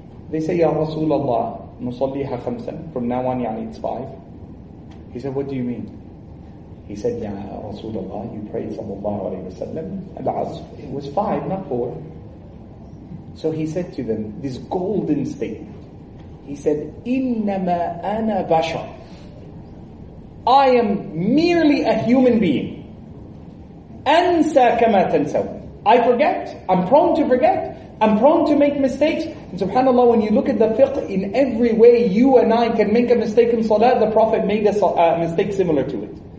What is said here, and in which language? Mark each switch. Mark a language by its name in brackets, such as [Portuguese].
[English] They say, Ya Rasulullah, نُصَلِّيهَا خَمْسًا. From now on, يعني it's 5. He said, what do you mean? He said, Ya Rasulullah, you prayed sallallahu alayhi wa sallam. It was 5, not 4. So he said to them, this golden statement. [Arabic] He said, إِنَّمَا أَنَا بَشَرٌ. [English] I am merely a human being. أَنْسَى كَمَا تَنْسَوْنَ. I forget, I'm prone to forget. I'm prone to make mistakes. And subhanAllah, when you look at the fiqh, in every way you and I can make a mistake in salah, the Prophet made a mistake similar to it.